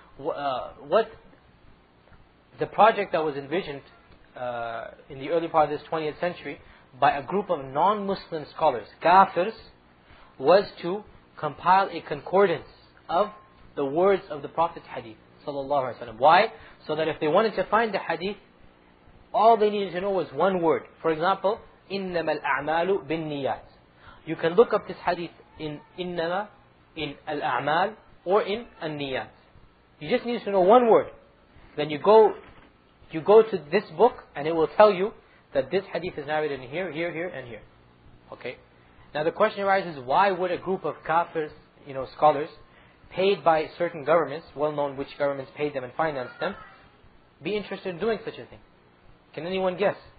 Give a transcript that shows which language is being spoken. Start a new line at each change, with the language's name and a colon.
English: What the project that was envisioned in the early part of this 20th century by a group of non-Muslim scholars, kafirs, was to compile a concordance of the words of the Prophet's hadith, sallallahu alayhi wa sallam. Why? So that if they wanted to find the hadith, all they needed to know was one word. For example,
Arabic: إِنَّمَا الْأَعْمَالُ بِالنِّيَّاتِ.
English: You can look up this hadith in إِنَّمَا, in الْأَعْمَالِ, or in النِّيَّاتِ. You just need to know one word. Then you go to this book, and it will tell you that this hadith is narrated in here, here, here, and here. Okay? Now the question arises, why would a group of kafirs, you know, scholars, paid by certain governments, well known which governments paid them and financed them, be interested in doing such a thing? Can anyone guess?